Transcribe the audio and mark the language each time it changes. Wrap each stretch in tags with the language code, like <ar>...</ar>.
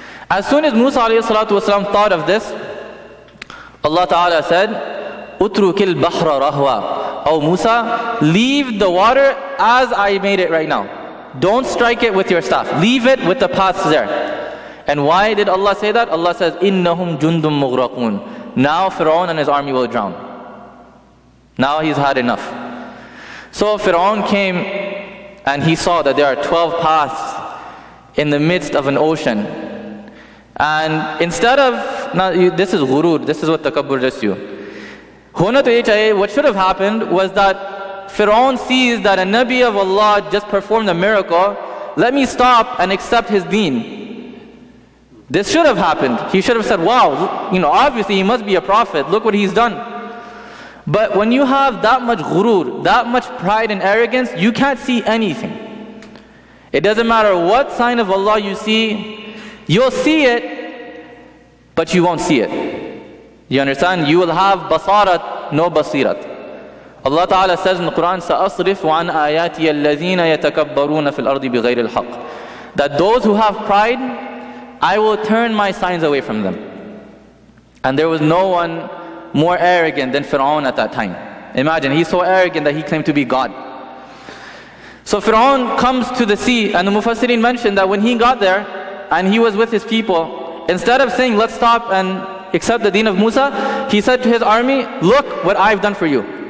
<en>As soon as Musa alayhi salatu wasalam thought of this, Allah Ta'ala said,</en> <ar>اُتْرُكِ الْبَحْرَ رَهْوَى.</ar> <en>Oh Musa, leave the water as I made it right now. Don't strike it with your staff. Leave it with the paths there. And why did Allah say that? Allah says,</en> <ar>إِنَّهُمْ جُنْدٌ مُغْرَقُونَ.</ar> <en>Now Fir'aun and his army will drown. Now he's had enough. So Fir'aun came and he saw that there are 12 paths in the midst of an ocean. And instead of, now this is ghurur, this is what takabbur does to you. What should have happened was that Fir'aun sees that a Nabi of Allah just performed a miracle. Let me stop and accept his deen. This should have happened. He should have said, wow, you know, obviously he must be a prophet. Look what he's done. But when you have that much ghurur, that much pride and arrogance, you can't see anything. It doesn't matter what sign of Allah you see, you'll see it, but you won't see it. You understand? You will have basarat, no basirat. Allah Ta'ala says in the Quran,</en> <ar>سَأَصْرِفُ عَنْ آيَاتِيَ الَّذِينَ يَتَكَبَّرُونَ فِي الْأَرْضِ بِغَيْرِ الْحَقِّ.</ar> <en>That those who have pride, I will turn my signs away from them. And there was no one more arrogant than Fir'aun at that time. Imagine, he's so arrogant that he claimed to be God. So Fir'aun comes to the sea, and the Mufassirin mentioned that when he got there, and he was with his people, instead of saying, let's stop and accept the deen of Musa, he said to his army, look what I've done for you.</en>